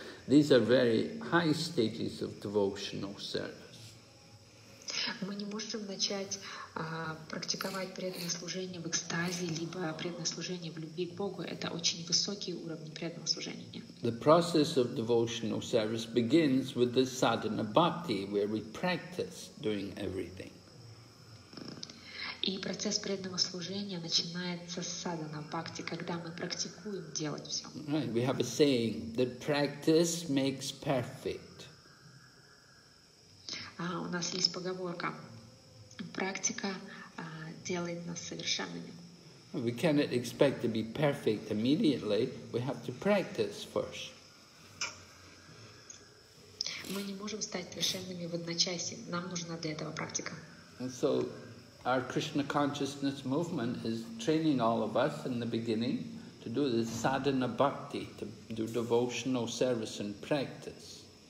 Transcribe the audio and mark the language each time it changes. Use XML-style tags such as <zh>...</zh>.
<en>These are very high stages of devotional service.</en> <ru>Мы не можем начать практиковать преданное служение в экстазе, либо преданное служение в любви к Богу. Это очень высокий уровень преданного служения.</ru> <en>The process of devotional service begins with the sadhana bhakti, where we practice doing everything.</en> <ru>И процесс преданного служения начинается с садхана бхакти, когда мы практикуем делать все.</ru> <en>Right. We have a saying that practice makes perfect.</en> <ru>У нас есть поговорка: практика делает нас совершенными.</ru> <en>We cannot expect to be perfect immediately. We have to practice first.</en> <ru>Мы не можем стать совершенными в одночасье. Нам нужна для этого практика.</ru> <en>And so, our Krishna consciousness movement is training all of us in the beginning to do the sadhana bhakti, to do devotional service and practice.</en>